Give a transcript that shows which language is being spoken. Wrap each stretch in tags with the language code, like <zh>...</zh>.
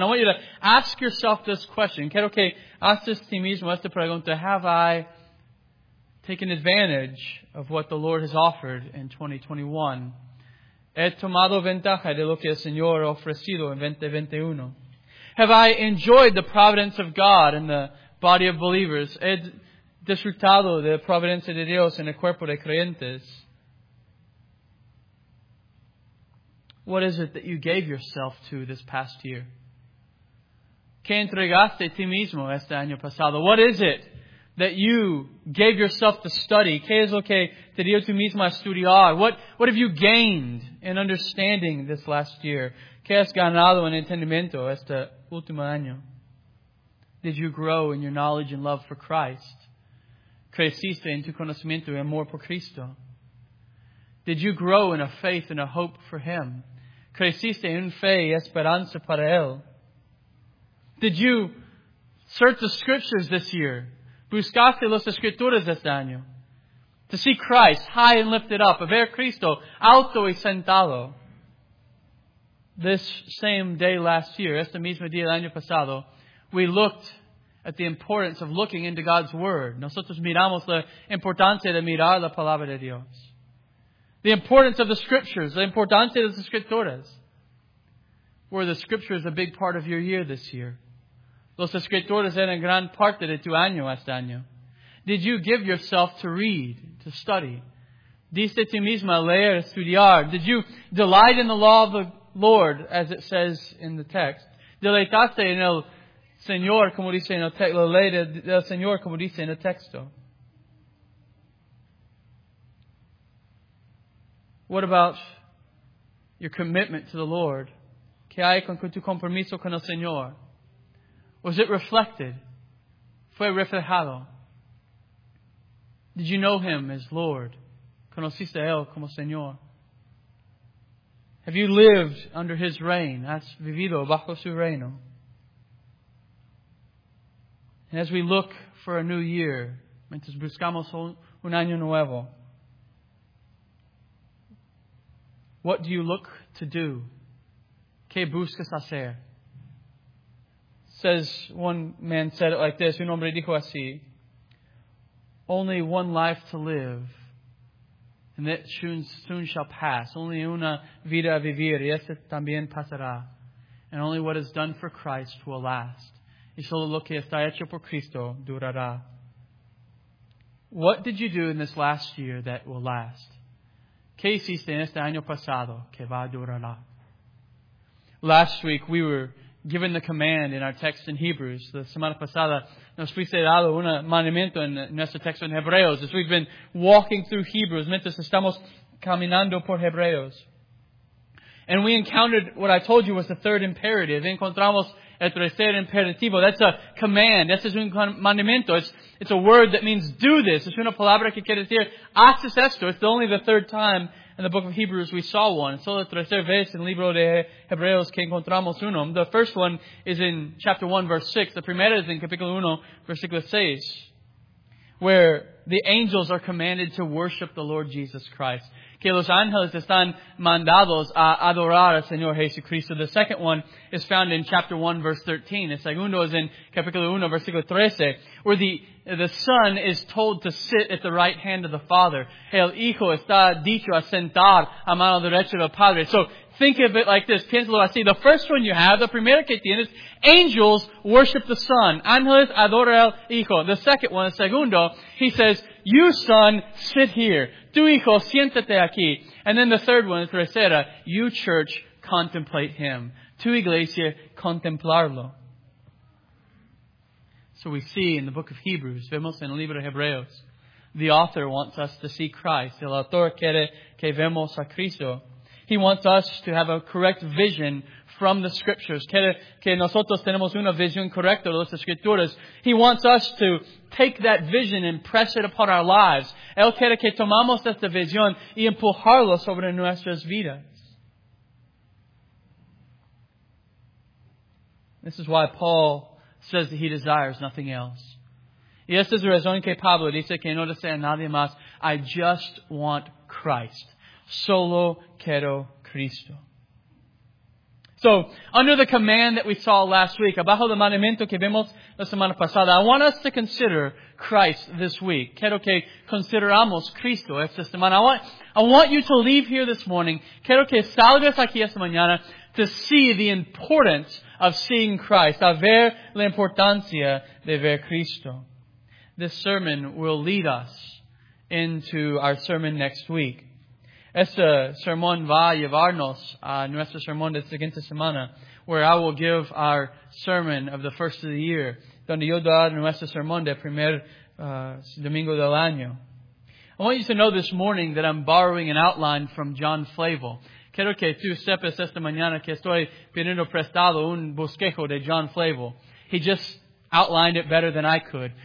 <en>I want you to ask yourself this question.</en> <es>Quiero que haces ti mismo esta pregunta.</es> <en>Have I taken advantage of what the Lord has offered in 2021?</en> <es>He tomado ventaja de lo que el Señor ha ofrecido en 2021.</es> <en>Have I enjoyed the providence of God and the body of believers?</en> <es>He disfrutado de la providencia de Dios en el cuerpo de creyentes.</es> <en>What is it that you gave yourself to this past year?</en> <es>¿Qué entregaste ti mismo este año pasado?</es> <en>What is it that you gave yourself to study?</en> <es>¿Qué es lo que te dio tú mismo a estudiar?</es> <en>What have you gained in understanding this last year?</en> <es>¿Qué has ganado en entendimiento este último año?</es> <en>Did you grow in your knowledge and love for Christ?</en> <es>¿Creciste en tu conocimiento y amor por Cristo?</es> <en>Did you grow in a faith and a hope for Him?</en> <es>¿Creciste en fe y esperanza para Él?</es> <en>Did you search the Scriptures this year?</en> <es>¿Buscaste las Escrituras este año?</es> <en>To see Christ high and lifted up,</en> <es>a ver Cristo alto y sentado.</es> <en>This same day last year,</en> <es>este mismo día del año pasado,</es> <en>we looked at the importance of looking into God's Word.</en> <es>Nosotros miramos la importancia de mirar la Palabra de Dios.</es> <en>The importance of the Scriptures,</en> <es>la importancia de las Escrituras.</es> <en>Were the Scriptures a big part of your year this year?</en> <es>Los Escrituras eran gran parte de tu año este año.</es> <en>Did you give yourself to read, to study?</en> <es>¿Diste tú mismo leer, estudiar?</es> <en>Did you delight in the law of the Lord, as it says in the text?</en> <es>¿Deleitaste en el Señor, como dice en el texto, la ley del Señor, como dice en el texto?</es> <en>What about your commitment to the Lord?</en> <es>¿Qué hay con tu compromiso con el Señor?</es> <en>Was it reflected</en> <es>fue reflejado?</es> <en>Did you know Him as Lord?</en> <es>¿Conociste a Él como Señor?</es> <en>Have you lived under His reign?</en> <es>¿Has vivido bajo su reino?</es> <en>And as we look for a new year,</en> <es>mientras buscamos un año nuevo,</es> <en>what do you look to do?</en> <es>¿Qué buscas hacer?</es> <en>Says one man said it like this,</en> <es>un hombre dijo así,</es> <en>only one life to live, and that soon shall pass.</en> <es>Only una vida a vivir, y ese también pasará.</es> <en>And only what is done for Christ will last.</en> <es>Y solo lo que está hecho por Cristo durará.</es> <en>What did you do in this last year that will last?</en> <es>¿Qué hiciste en este año pasado que va a durar?</es> <en>Last week we were given the command in our text in Hebrews.</en> <es>La semana pasada nos fuiste dado un mandamiento en nuestro texto en Hebreos.</es> <en>As we've been walking through Hebrews,</en> <es>mientras estamos caminando por Hebreos.</es> <en>And we encountered what I told you was the third imperative.</en> <es>Encontramos el tercer imperativo.</es> <en>That's a command.</en> <es>Ese es un mandamiento.</es> <en>It's a word that means do this.</en> <es>Es una palabra que quiere decir haces esto.</es> <en>It's only the third time in the book of Hebrews we saw one.</en> <es>Solo la tercera vez en el libro de Hebreos que encontramos uno.</es> <en>The first one is in chapter 1, verse 6.</en> <es>The primera es en capítulo 1, versículo 6.</es> <en>Where the angels are commanded to worship the Lord Jesus Christ.</en> <es>Que los ángeles están mandados a adorar al Señor Jesucristo.</es> <en>The second one is found in chapter 1, verse 13.</en> <es>El segundo es en capítulo 1, versículo 13.</es> <en>Where the Son is told to sit at the right hand of the Father.</en> <es>El Hijo está dicho a sentar a mano derecha del Padre.</es> <en>So, think of it like this.</en> <es>Piénsalo así.</es> <en>The first one you have, the</en> <es>primera que tienes,</es> <en>angels worship the Son.</en> <es>Ángeles adora al Hijo.</es> <en>The second one, the segundo, he says, you, Son, sit here.</en> <es>Tu Hijo, siéntate aquí.</es> <en>And then the third one, the tercera, you, church, contemplate Him.</en> <es>Tu Iglesia, contemplarlo.</es> <en>So we see in the book of Hebrews,</en> <es>vemos en el libro de Hebreos,</es> <en>the author wants us to see Christ.</en> <es>El autor quiere que vemos a Cristo.</es> <en>He wants us to have a correct vision from the Scriptures.</en> <es>Que nosotros tenemos una visión correcta de las Escrituras.</es> <en>He wants us to take that vision and press it upon our lives.</en> <es>Él quiere que tomamos esta visión y empujarlo sobre nuestras vidas.</es> <en>This is why Paul says that he desires nothing else.</en> <es>Y esta es la razón que Pablo dice que no desea nadie más.</es> <en>I just want Christ.</en> <es>Solo quiero Cristo.</es> <en>So, under the command that we saw last week,</en> <es>abajo del mandamiento que vimos la semana pasada,</es> <en>I want us to consider Christ this week.</en> <es>Quiero que consideramos Cristo esta semana.</es> <en>I want you to leave here this morning.</en> <es>Quiero que salgas aquí esta mañana</es> <en>to see the importance of seeing Christ.</en> <es>A ver la importancia de ver Cristo.</es> <en>This sermon will lead us into our sermon next week.</en> <es>Este sermón va a llevarnos a nuestro sermón de siguiente semana, where I will give our sermon of the first of the year, donde yo daré nuestro sermón de primer domingo del año.</es> <en>I want you to know this morning that I'm borrowing an outline from John Flavel.</en> <es>Quiero que tú sepas esta mañana que estoy pidiendo prestado un bosquejo de John Flavel.</es> <en>He just outlined it better than I could.</en>